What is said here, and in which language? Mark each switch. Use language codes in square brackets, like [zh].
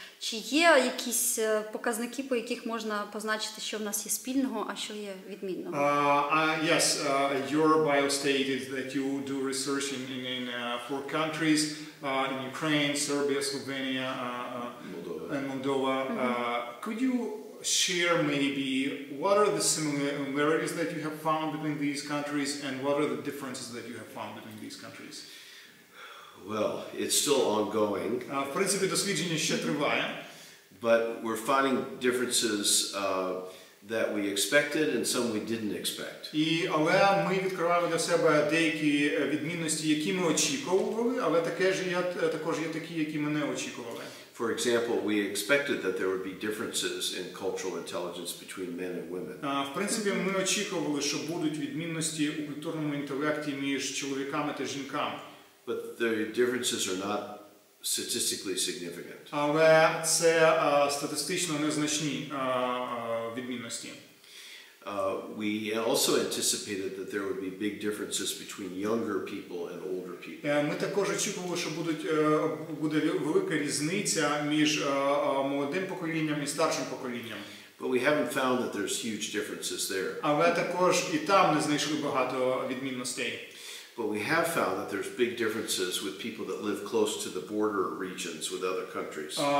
[uk] Чи є якісь показники, по яких можна позначити, що в нас є спільного, а що є відмінного? [en] Yes, your bio stated that you do research in 4 countries, in Ukraine, Serbia, Slovenia, Moldova. Could you share maybe what are the similarities that you have found between these countries and what are the differences that you have found between these countries? Well, it's still ongoing. [uk] В принципі, дослідження ще триває. [en] But we're finding differences that we expected and some we didn't expect. [uk] І але ми відкриваємо для себе деякі відмінності, які ми очікували, але також є такі, які ми не очікували. [en] For example, we expected that there would be differences in cultural intelligence between men and women. [uk] В принципі, ми очікували, що будуть відмінності у культурному інтелекті між чоловіками та жінками. [en] But the differences are not statistically significant. [uk] Але це статистично незначні відмінності. [en] We also anticipated that there would be big differences between younger people and older people. [uk] Ми також очікували, що буде велика різниця між молодим поколінням і старшим поколінням. [en] But we haven't found that there's huge differences there. [uk] Але також і там не знайшли багато відмінностей. [en] But we have found that there's big differences with people that live close to the border regions with other countries.